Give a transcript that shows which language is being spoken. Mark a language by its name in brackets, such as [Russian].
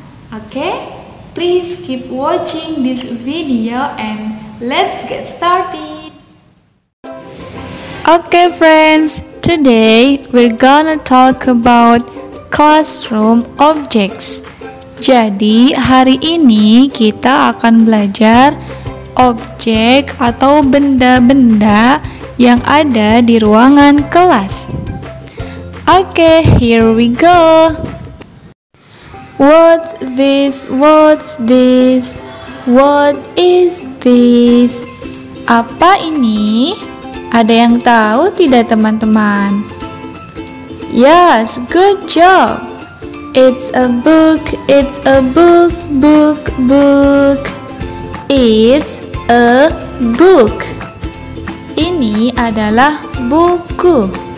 [English] Okay, please keep watching this video and let's get started. Okay friends, today we're gonna talk about classroom objects. [Indonesian] Jadi hari ini kita akan belajar objek atau benda-benda yang ada di ruangan kelas. [English] Okay, here we go. What's this? What's this? What is this? [Indonesian] Apa ini? Ada yang tahu tidak teman-teman? [English] Yes, good job. It's a book, it's a book, book, book. It's a book. [Indonesian] Ini adalah buku.